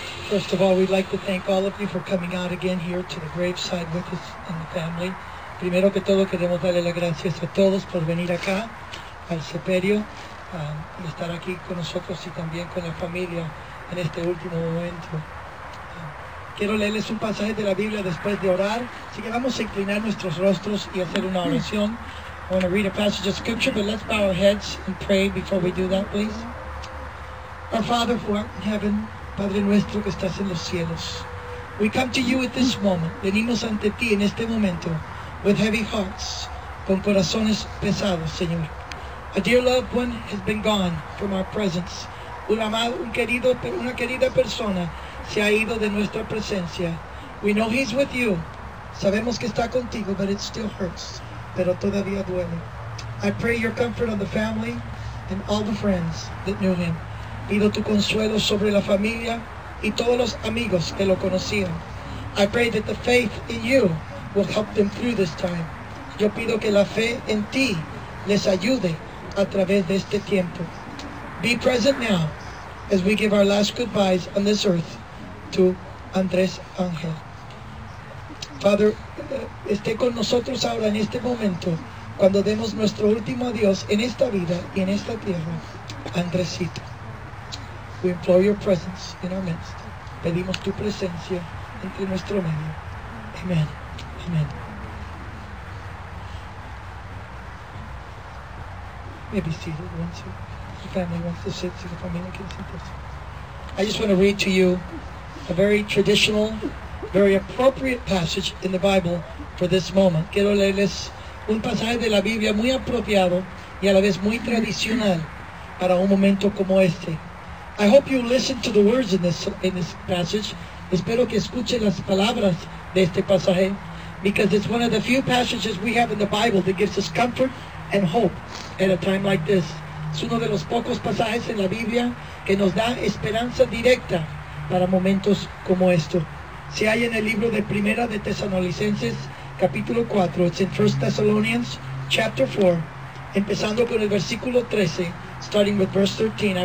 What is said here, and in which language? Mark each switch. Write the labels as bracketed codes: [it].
[en] First of all, we'd like to thank all of you for coming out again here to the graveside with us and the family. [es] Primero que todo, queremos darle las gracias a todos por venir acá al sepelio, por estar aquí con nosotros y también con la familia en este último momento. Quiero leerles un pasaje de la Biblia después de orar, así que vamos a inclinar nuestros rostros y hacer una oración. [en] I want to read a passage of scripture, but let's bow our heads and pray before we do that, please. Our Father who art in heaven, [es] Padre nuestro que estás en los cielos, [en] we come to you at this moment, [es] venimos ante ti en este momento, [en] with heavy hearts, [es] con corazones pesados, Señor. [en] A dear loved one has been gone from our presence. [es] Una querida persona se ha ido de nuestra presencia. [en] We know he's with you. [es] Sabemos que está contigo, [en] but it still hurts. [es] Pero todavía duele. [en] I pray your comfort on the family and all the friends that knew him. [es] Pido tu consuelo sobre la familia y todos los amigos que lo conocían. [en] I pray that the faith in you will help them through this time. [es] Yo pido que la fe en ti les ayude a través de este tiempo. [en] Be present now as we give our last goodbyes on this earth to Andrés Ángel. [es] Father, esté con nosotros ahora en este momento cuando demos nuestro último adiós en esta vida y en esta tierra, Andresito. [en] We implore your presence in our midst. [es] Pedimos tu presencia entre nuestro medio. [en] Amen. Amen. Maybe sit if the family wants to sit, so the family can sit. I just want to read to you a very traditional, very appropriate passage in the Bible for this moment. [es] Quiero leerles un pasaje de la Biblia muy apropiado y a la vez muy tradicional para un momento como este. [en] I hope you listen to the words in this passage. [es] Espero que escuchen las palabras de este pasaje, [en] because it's one of the few passages we have in the Bible that gives us comfort and hope at a time like this. [es] Es uno de los pocos pasajes en la Biblia que nos da esperanza directa para momentos como esto. Se halla en el libro de Primera de Tesalonicenses, capítulo 4. [en] It's in 1 Thessalonians, chapter 4, [es] empezando con el versículo 13, [en] starting with verse 13.